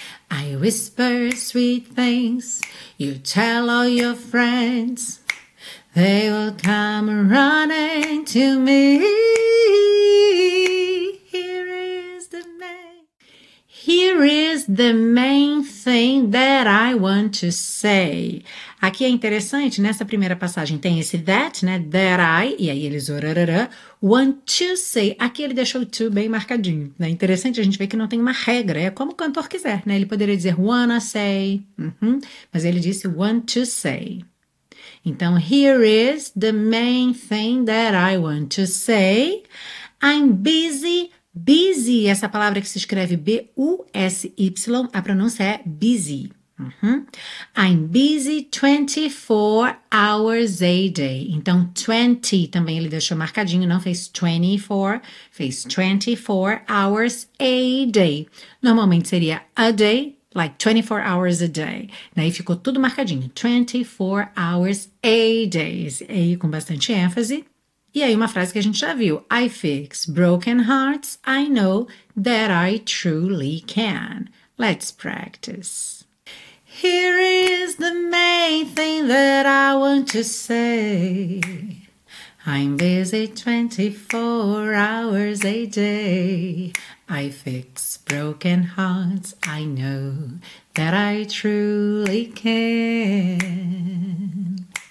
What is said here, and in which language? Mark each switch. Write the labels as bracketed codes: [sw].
[en] I whisper sweet things, you tell all your friends, they will come running to me. Here is the main. Here is the main thing that I want to say. [pt] Aqui é interessante, nessa primeira passagem tem esse that, né, [en] that I, [pt] e aí eles orarará, [en] want to say. [pt] Aqui ele deixou o to bem marcadinho, né? Interessante a gente ver que não tem uma regra, é como o cantor quiser, né? Ele poderia dizer [en] wanna say, [pt] mas ele disse [en] want to say. [pt] Então, [en] here is the main thing that I want to say. I'm busy, busy, [pt] essa palavra que se escreve B-U-S-Y, a pronúncia é busy. [en] I'm busy 24 hours a day. [pt] Então, 20 também ele deixou marcadinho, não fez 24, fez [en] 24 hours a day. [pt] Normalmente seria [en] a day, like 24 hours a day. [pt] Daí ficou tudo marcadinho, [en] 24 hours a day. [pt] Esse aí com bastante ênfase. E aí uma frase que a gente já viu, [en] I fix broken hearts, I know that I truly can. Let's practice. Here is the main thing that I want to say. I'm busy 24 hours a day. I fix broken hearts, I know that I truly can.